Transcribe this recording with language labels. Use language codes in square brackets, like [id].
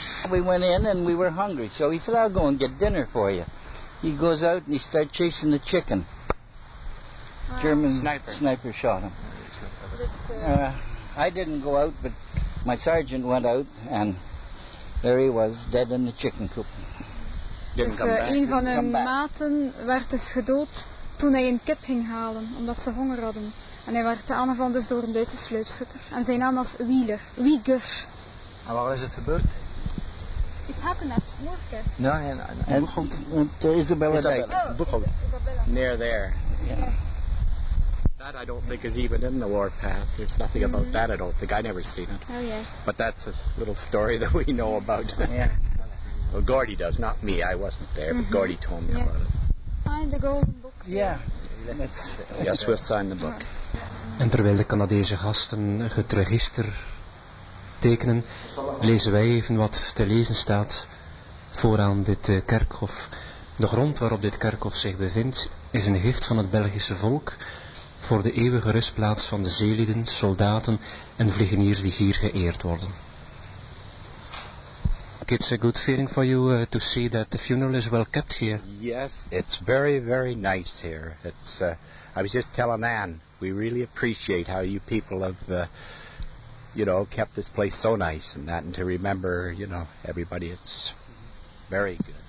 [en] We went in and we were hungry, so he said, I'll go and get dinner for you. He goes out and he starts chasing the chicken. German sniper shot him. I didn't go out, but my sergeant went out and there he was, dead in the chicken coop. [nl] Dus een van hun maten werd dus gedood toen hij een kip ging halen, omdat ze honger hadden. En hij werd aangevallen dus door een Duitse sluipschutter. En zijn naam was Wieler, Wieger. En waar is het gebeurd? [en] It happened at Moorke. No. Isabella. Near there. Yeah. That I don't think is even in the war path. There's nothing about that at all. The guy never seen it. Oh yes. But that's a little story that we know about. Yeah. Well, Gordy does, not me. I wasn't there, but Gordy told me about it. Sign the golden book. Yeah. Yes, we'll sign the book. [nl] En terwijl de Canadese gasten het register tekenen, lezen wij even wat te lezen staat vooraan dit kerkhof. De grond waarop dit kerkhof zich bevindt is een gift van het Belgische volk voor de eeuwige rustplaats van de zeelieden, soldaten en vliegeniers die hier geëerd worden. [en] It's a good feeling for you to see that the funeral is well kept here. Yes, it's very, very nice here. It's, I was just telling Anne, we really appreciate how you people have kept this place so nice and that, and to remember, everybody, it's very good.